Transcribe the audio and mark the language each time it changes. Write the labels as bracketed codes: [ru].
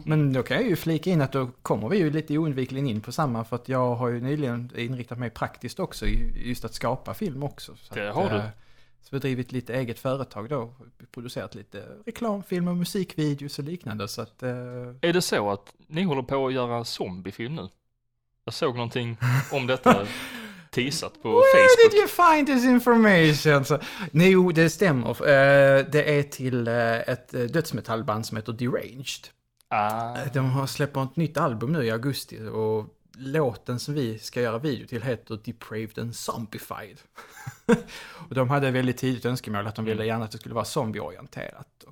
[sv] Men då kan jag ju flika in att då kommer vi ju lite oundvikligen in på samma, för att jag har ju nyligen inriktat mig praktiskt också just att skapa film också. Så det har att, du. Så vi har drivit lite eget företag då, producerat lite reklamfilm och musikvideos och liknande. Så att, är det så att ni håller på att göra zombiefilm nu? Jag såg någonting om detta. Teasat på [en] Where [sv] Facebook. [en] Where did you find this information? [sv] Så, nej, jo, det stämmer. Det är till ett dödsmetallband som heter Deranged. De har släppt ett nytt album nu i augusti och låten som vi ska göra video till heter Depraved and Zombified. Och de hade väldigt tidigt önskemål att de ville gärna att det skulle vara zombieorienterat.